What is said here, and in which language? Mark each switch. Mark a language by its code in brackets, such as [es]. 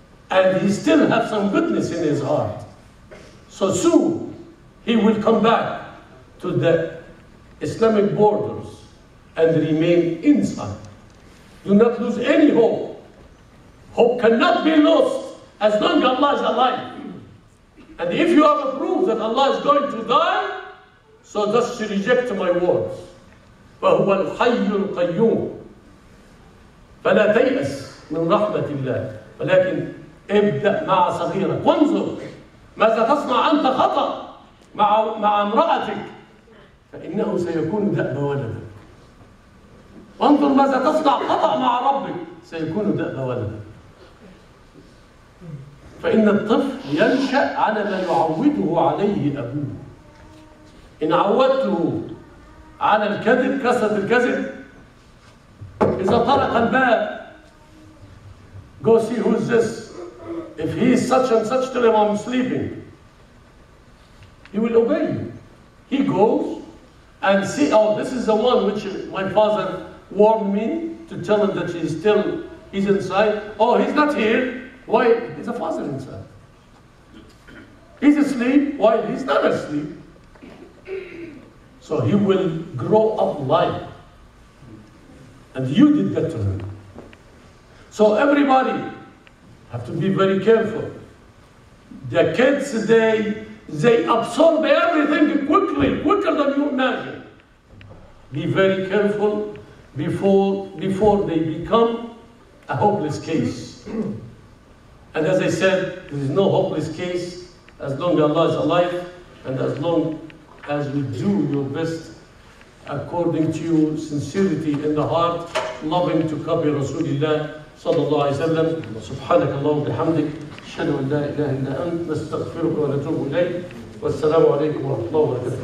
[en] And he still has some goodness in his heart. So soon, he will come back to the Islamic borders and remain inside. Do not lose any hope. Hope cannot be lost as long as Allah is alive. And if you have a proof that Allah is going to die, so just reject my words. [ar] فَهُوَ الْحَيُّ الْقَيُّومُ فَلَا تَيْأَسْ مِنْ رَحْمَةِ اللَّهِ وَلَكِنْ ابدأ مع صغيرك وانظر ماذا تصنع أنت خطأ مع امرأتك فإنه سيكون دأب ولدك، وانظر ماذا تصنع خطأ مع ربك سيكون دأب ولدك. فإن الطفل ينشأ على ما يعوده عليه أبوه، إن عودته على الكذب كسر الكذب، إذا طرق الباب [en] go see who's this. If he is such and such, tell him I'm sleeping. He will obey you. He goes and see, oh, this is the one which my father warned me to tell him that he's inside. Oh, he's not here. Why? Is the father inside? He's asleep. Why? He's not asleep. So he will grow up light. And you did that to him. So everybody, have to be very careful. The kids today, they absorb everything quickly, quicker than you imagine. Be very careful before they become a hopeless case. And as I said, there is no hopeless case as long as Allah is alive and as long as you do your best according to your sincerity in the heart, loving to copy Rasulullah صلى الله عليه وسلم. [ar] سبحانك اللهم وبحمدك، أشهد أن لا إله إلا أنت، نستغفرك ونتوب إليك، والسلام عليكم ورحمة الله وبركاته.